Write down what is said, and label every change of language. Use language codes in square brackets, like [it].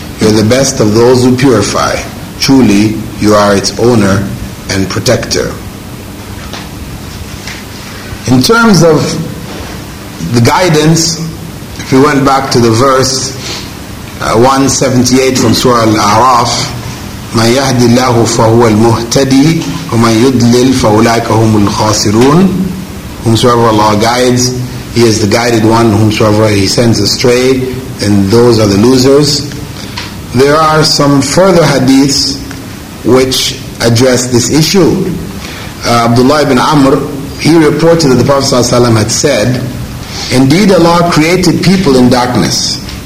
[en] You're the best of those who purify. Truly, you are its owner and protector. In terms of the guidance, if we went back to the verse 178 from Surah Al-A'raf, [ar] من يهدي الله فهو المهتدي ومن يضلل فأولئك هم الخاسرون. [en] Whomsoever Allah guides, he is the guided one. Whomsoever he sends astray, then those are the losers. There are some further hadiths which address this issue. Abdullah ibn Amr, he reported that the Prophet ﷺ had said, indeed Allah created people in darkness.